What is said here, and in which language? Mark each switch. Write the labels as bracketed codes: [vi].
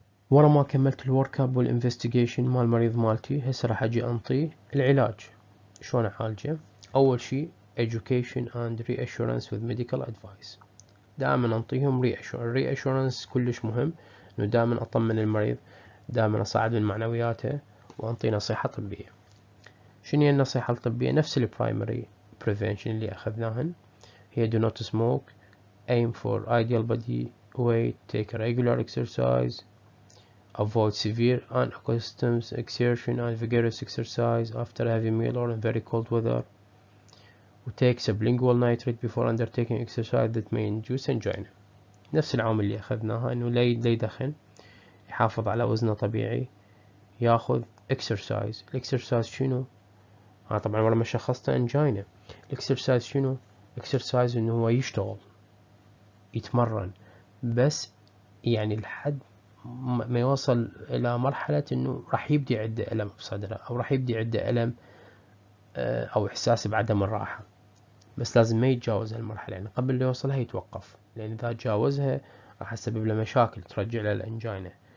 [ar] ورا ما كملت الورك اب والانفستيجيشن مال المريض مالتي، هسه راح اجي انطيه العلاج شلون اعالجه. اول شيء [en] education and reassurance with medical advice، [ar] دائما انطيهم reassurance كلش مهم، انه دائما اطمن المريض دائما اصعد من معنوياته وانطي نصيحة طبية. شنو هي النصيحة الطبية؟ نفس البرايمري بريفنشن اللي اخذناهن، هي [en] do not smoke, aim for ideal body weight, take regular exercise, avoid severe unaccustomed exertion and vigorous exercise after heavy meal or in very cold weather, وtake sublingual nitrate before undertaking exercise that may induce angina. [ar] نفس العوامل اللي اخذناها، انه لا يدخن، يحافظ على وزنه طبيعي، ياخذ exercise. الexercise شنو؟ طبعا ولا ما شخصت انجينا. الexercise شنو؟ exercise انه هو يشتغل، يتمرن، بس يعني لحد ما يوصل الى مرحلة انه راح يبدي عنده الم في صدره، او راح يبدي عنده الم او احساس بعدم الراحة، بس لازم ما يتجاوز المرحلة، يعني قبل لا يوصلها يتوقف، لان اذا تجاوزها راح تسبب له مشاكل ترجع له الانجينا.